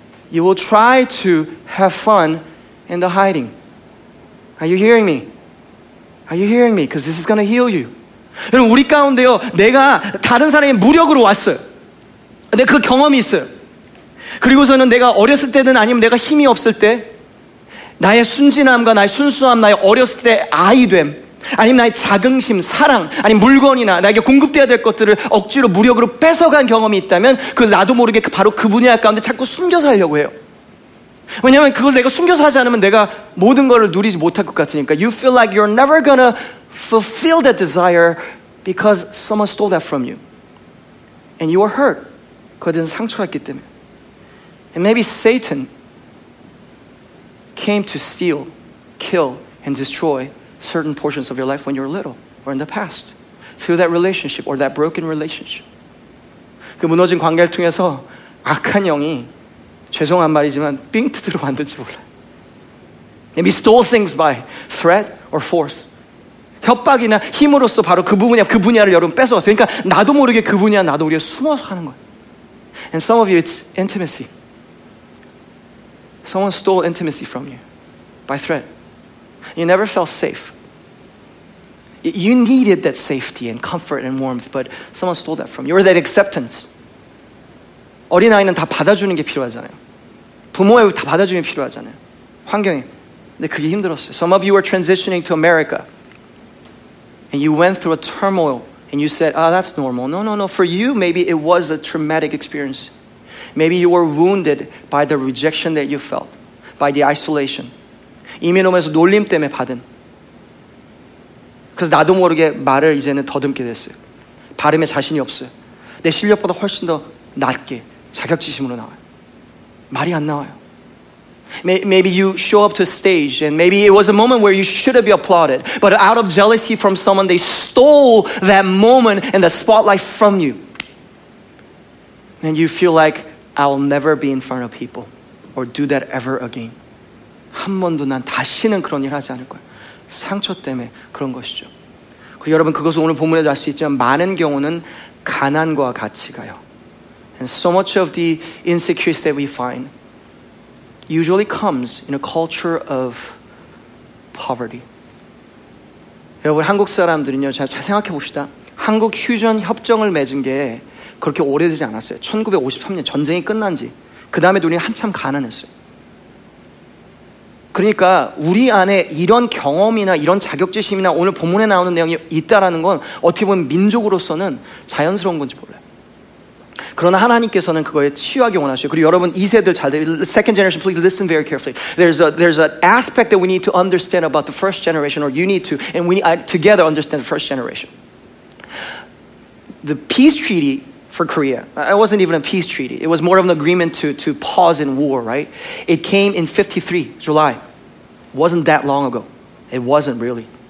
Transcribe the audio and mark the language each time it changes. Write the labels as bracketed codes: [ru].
[en] You will try to have fun in the hiding. Are you hearing me? Are you hearing me? Because this is going to heal you. [ko] 여러분, 우리 가운데요, 내가 다른 사람의 무력으로 왔어요. 내가 그 경험이 있어요. 그리고서는 내가 어렸을 때든 아니면 내가 힘이 없을 때, 나의 순진함과 나의 순수함, 나의 어렸을 때 아이됨, 아니면 나의 자긍심, 사랑, 아니면 물건이나 나에게 공급되어야 될 것들을 억지로 무력으로 뺏어간 경험이 있다면, 그 나도 모르게 바로 그 분야 가운데 자꾸 숨겨서 하려고 해요. 왜냐하면 그걸 내가 숨겨서 하지 않으면 내가 모든 걸 누리지 못할 것 같으니까 [en] You feel like you're never gonna fulfill that desire because someone stole that from you. And you are hurt. [ko] 그것은 상처가 있기 때문에. [en] And maybe Satan came to steal, kill, and destroy certain portions of your life when you were little or in the past through that relationship or that broken relationship. [ko] 그 무너진 관계를 통해서 악한 영이 죄송한 말이지만 삥 뜯으러 왔는지 몰라요. [en] Maybe stole things by threat or force. [ko] 협박이나 힘으로써 바로 그 분야를 여러분 뺏어왔어요. 그러니까 나도 모르게 그 분야 나도 우리가 숨어서 하는 거예요. [en] And some of you, it's intimacy. Someone stole intimacy from you by threat. You never felt safe. You needed that safety and comfort and warmth, but someone stole that from you. Or that acceptance. [ko] 어린아이는 다 받아주는 게 필요하잖아요. 부모의 다 받아주는 게 필요하잖아요. 환경이. 근데 그게 힘들었어요. [en] Some of you were transitioning to America and you went through a turmoil and you said, oh, that's normal. No, no, no. For you, maybe it was a traumatic experience. Maybe you were wounded by the rejection that you felt, by the isolation. [ko] 이민홈에서 놀림 때문에 받은. 그래서 나도 모르게 말을 이제는 더듬게 됐어요. 발음에 자신이 없어요. 내 실력보다 훨씬 더 낮게 자격지심으로 나와요. 말이 안 나와요. [en] Maybe you show up to stage and maybe it was a moment where you should have been applauded but out of jealousy from someone they stole that moment and the spotlight from you. And you feel like I'll never be in front of people or do that ever again. [ko] 한 번도 난 다시는 그런 일 하지 않을 거야. 상처 때문에 그런 것이죠. 그리고 여러분 그것은 오늘 본문에도 알 수 있지만 많은 경우는 가난과 같이 가요. [en] And so much of the insecurities that we find usually comes in a culture of poverty. [ko] 여러분 한국 사람들은요, 잘 생각해 봅시다. 한국 휴전 협정을 맺은 게 그렇게 오래되지 않았어요. 1953년 전쟁이 끝난 지 그 다음에 우리는 한참 가난했어요. 그러니까 우리 안에 이런 경험이나 이런 자격지심이나 오늘 본문에 나오는 내용이 있다라는 건 어떻게 보면 민족으로서는 자연스러운 건지 몰라요. 그러나 하나님께서는 그거에 치유하기 원하셔요. 그리고 여러분 2세들 잘 들으세요. [en] Second generation, please listen very carefully. There's an aspect that we need to understand about the first generation, or you need to, and we need together understand the first generation. The peace treaty for Korea, it wasn't even a peace treaty. It was more of an agreement to pause in war, right? It came in 53, July. Wasn't that long ago. It wasn't really.